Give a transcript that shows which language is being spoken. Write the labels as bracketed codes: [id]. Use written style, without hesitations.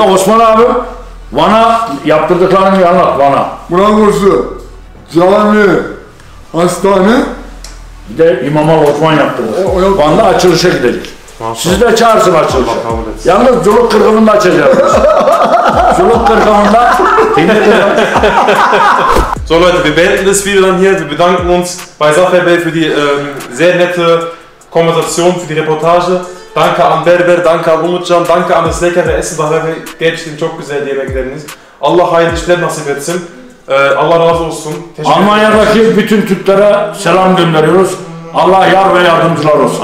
[tr] Osman abi, Van'a yaptırdıklarını bir anlat, Van'a. Burası, cami, hastane. Bir de İmamal Osman yaptırdık. Van'da açılışa gidecek. Sizi de çağırsın açılışa. Yalnız Zuluk Kırkımı'nda açacağız. Zuluk Kırkımı'nda. [de] So Leute, wir beenden das Video dann hier. Wir bedanken uns bei Zafer Bey für die sehr nette Konversation, für die Reportage. Danke an Berber, danke an Umutcan, danke an das leckere Essen. [tr] Zafer Bey, gerçekten çok güzel yemekleriniz. Allah hayırlı işler nasip etsin. Allah razı olsun. Almanya'daki bütün Türklere selam gönderiyoruz. Allah yar ve yardımcılar olsun.